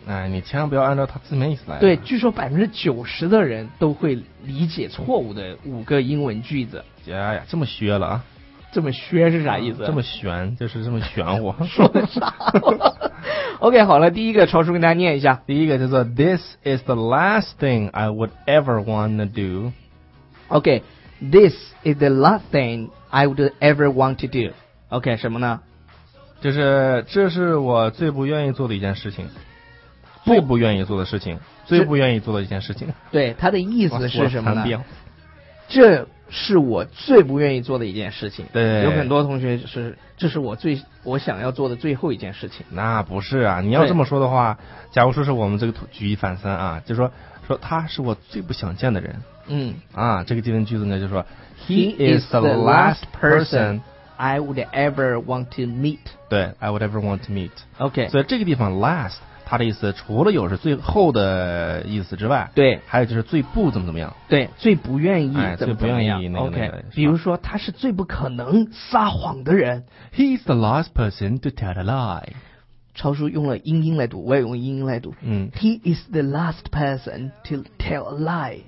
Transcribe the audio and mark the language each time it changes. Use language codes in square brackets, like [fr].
[zh] 哎，你千万不要按照它字面意思来。对，据说90%的人都会理解错误的五个英文句子。哎呀，这么削了啊。这么削是啥意思？这么玄，就是这么玄乎。说的啥？OK， 好了，第一个超叔跟大家念一下。第一个叫做 [en] This is the last thing I would ever want to do。 OK， This is the last thing I would ever want to do。 [zh] OK， 什么呢？就是这是我最不愿意做的一件事情，最不愿意做的一件事情。对，他的意思是什么呢？这是我最不愿意做的一件事情。对，有很多同学是，这是我想要做的最后一件事情。那不是啊，你要这么说的话，假如说是我们这个举一反三啊，就说他是我最不想见的人。这个基本句子呢，就说 [en] He is the last person I would ever want to meet。对， I would ever want to meet。 OK， [zh] 所以这个地方 last 他的意思除了有是最后的意思之外，对，还有就是最不怎么怎么样。对，最不愿意怎么怎么样，最不愿意那个 okay，那个。比如说他是最不可能撒谎的人。 [en] He is the last person to tell a lie。 [zh] 超叔用了英音来读，我也用英音来读。 [en] He is the last person to tell a lie。